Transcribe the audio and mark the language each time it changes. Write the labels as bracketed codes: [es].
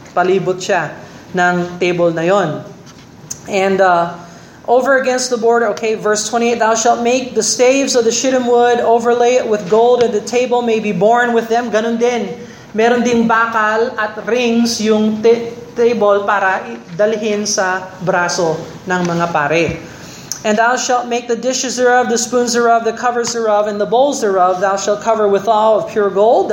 [tl] Palibot siya ng table na yon. [en] And, over against the border, okay, verse 28, thou shalt make the staves of the shittim wood, overlay it with gold, and the table may be borne with them. [tl] Ganun din. Meron ding bakal at rings yung table para dalhin sa braso ng mga pare. [en] And thou shalt make the dishes thereof, the spoons thereof, the covers thereof, and the bowls thereof. Thou shalt cover with all of pure gold.